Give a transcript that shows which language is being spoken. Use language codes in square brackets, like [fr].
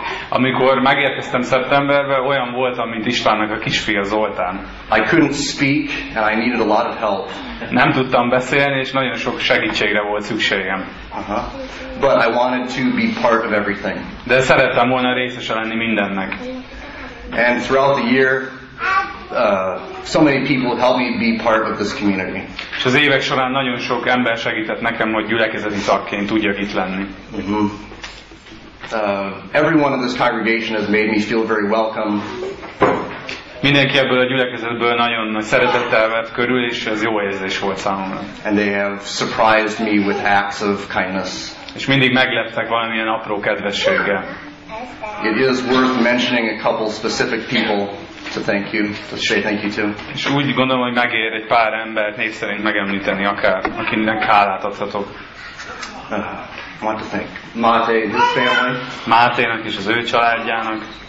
[hu] Amikor megérkeztem szeptemberben, olyan voltam, mint Istvánnak a kisfia Zoltán. [en] I couldn't speak and I needed a lot of help. [hu] Nem tudtam beszélni, és nagyon sok segítségre volt szükségem. [en] But I wanted to be part of everything. [hu] De szerettem volna részese lenni mindennek. [en] And throughout the year, so many people helped me be part of this community. [hu] És az évek során nagyon sok ember segített nekem, hogy gyülekezeti tagként tudjak itt lenni. [en] Everyone in this congregation has made me feel very welcome. [hu] Mindenki ebből a gyülekezetből nagyon szeretettel vett körül, és ez jó érzés volt számomra. [en] And they have surprised me with acts of kindness. [hu] És mindig megleptek valamilyen apró kedvességgel. [en] It is worth mentioning a couple specific people to thank you, to say thank you to. [hu] És úgy gondolom, hogy megér egy pár embert név szerint megemlíteni akár, akinek hálát adhatok. [en] Want to thank Máté and his family. [hu] Máténak és az ő családjának.